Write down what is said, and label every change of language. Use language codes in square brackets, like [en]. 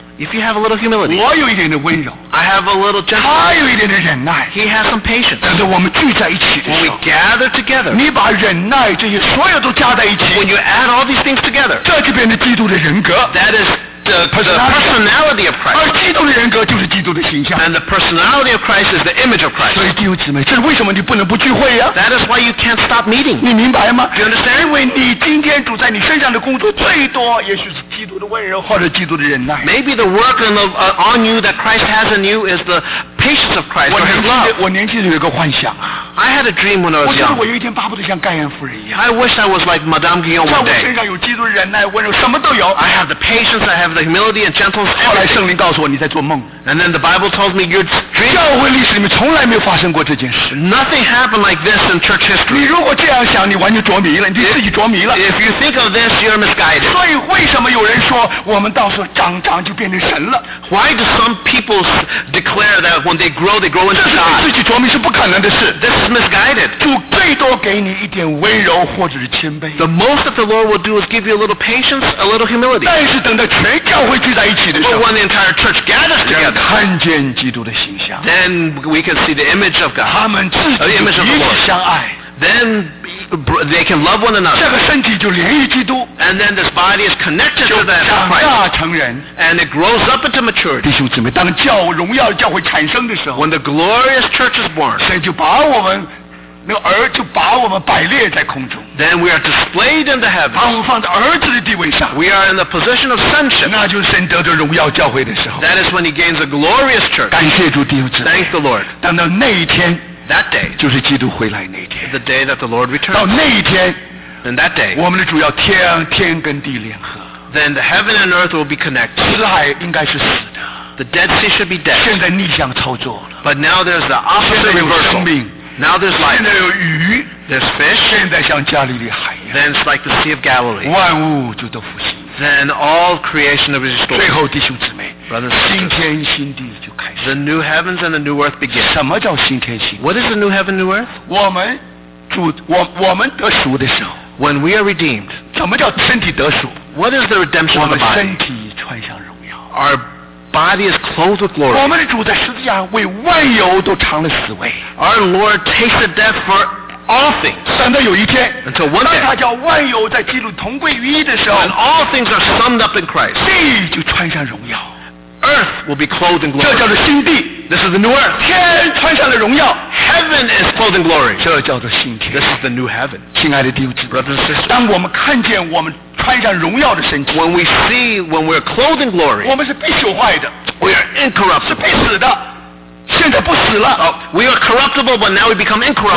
[en] If you have a little humility, [zh] 我有一点的温柔。 [en] I have a little gentleness. [zh] 他有一点的忍耐。 [en] He has some patience. [zh] 等到我们聚在一起的时候， [en] when we gather together, [zh] 你把忍耐这些所有都加在一起， [en] when you add all these things together, [zh] 这就变成基督的人格。 [en] That is the personality of Christ. [zh] 而基督的人格就是基督的形象。 [en] And the personality of Christ is the image of Christ. [zh] 所以弟兄姊妹，这是为什么你不能不聚会呀？ [en] That is why you can't stop meeting. [zh] 你明白吗？ [en] Do you understand? [zh] 因为你今天主在你身上的工作最多，也许是。 [en] Maybe the work on you that Christ has in you is the patience of Christ or his love. [zh] 我年轻的有一个幻想啊。 [en] I had a dream when I was young. [zh] 我觉得我有一天巴不得像盖恩夫人一样。 [en] I wish I was like Madame Guillaume one day. [zh] 在我身上有基督忍耐温柔，什么都有。 [en] I have the patience, I have the humility and gentleness. [zh] 后来圣灵告诉我你在做梦。 [en] And then the Bible tells me you're dreaming. [zh] 教会历史里面从来没有发生过这件事。 [en] Nothing happened like this in church history. [zh] 你如果这样想，你完全着迷了，你自己着迷了。 [en] If you think of this, you're misguided. [zh] 所以为什么有人说我们到时候长就变成神了？ [en] Why do some people declare that when they grow into God? [zh] 这是你自己着迷，是不可能的事。 [en] This is misguided. [zh] 主最多给你一点温柔或者是谦卑。 [en] The most that the Lord will do is give you a little patience, a little humility. [zh] 但是等到全教会聚在一起的时候， [en] But when the entire church gathers together, [zh] 看见基督的形象， [en] then we can see the image of God. [zh] 他们自己彼此相爱。 [en] Then they can love one another. [zh] 这个身体就连于基督。 [en] And then this body is connected to that Christ. [zh] 就长大成人。 [en] And it grows up into maturity. [zh] 弟兄姊妹，当教荣耀教会产生的时候， [en] when the glorious church is born, [zh] 神就把我们那个儿就把我们摆列在空中。 [en] Then we are displayed in the heavens. [zh] 把我们放在儿子的地位上。 [en] We are in the position of sonship. [zh] 那就是神得着荣耀教会的时候。 [en] That is when he gains a glorious church. [zh] 感谢主，弟兄姊妹。 [en] Thank the Lord. [zh] 等到那一天。 [en] That day, [zh] 就是基督回来那天。 [en] The day that the Lord returns. [zh] 到那一天。 [en] In that day, [zh] 我们的主要天跟地联合。 [en] Then the heaven and earth will be connected. [zh] 死海应该是死的。 [en] The Dead Sea should be dead. [zh] 现在逆向操作了。 [en] But now there's the opposite reversal. Now there's life. [zh] 现在有鱼。 [en] There's fish. [zh] 现在像加利利海一样。 [en] Then it's like the Sea of Galilee. [zh] 万物就都复兴。 [en] Then all creation will be restored. [zh] 最后弟兄姊妹。 [en] Brothers, [zh] 新天新地就开始。 [en] The new heavens and the new earth begin. [zh] 什么叫新天新地？ [en] What is the new heaven, new earth? [zh] 我们得赎的时候。 [en] When we are redeemed. [zh] 什么叫身体得赎？ [en] What is the redemption of the body? [zh] 我们身体穿上荣耀。 [en] Our body is clothed with glory. [zh] 我们的主在十字架为万有都尝了死味。 [en] Our Lord tasted death for all things. [zh] 等到有一天， [en] until one day, [zh] 当他叫万有在基督同归于一的时候， [en] when all things are summed up in Christ, [zh] 地就穿上荣耀。 [en] Earth will be clothed in glory. [zh] 这叫做新地。 [en] This is the new earth. [zh] 天穿上了荣耀。 [en] Heaven is clothed in glory. [zh] 这叫做新天。 [en] This is the new heaven. [zh] 亲爱的弟兄姊妹， [en] brothers and sisters, [zh] 当我们看见我们穿上荣耀的身体， [en] when we see when we're clothed in glory, [zh] 我们是必朽坏的。 [en] We are incorruptible. [zh] 是必死的。现在不死了。 [en] We are corruptible, but now we become incorruptible.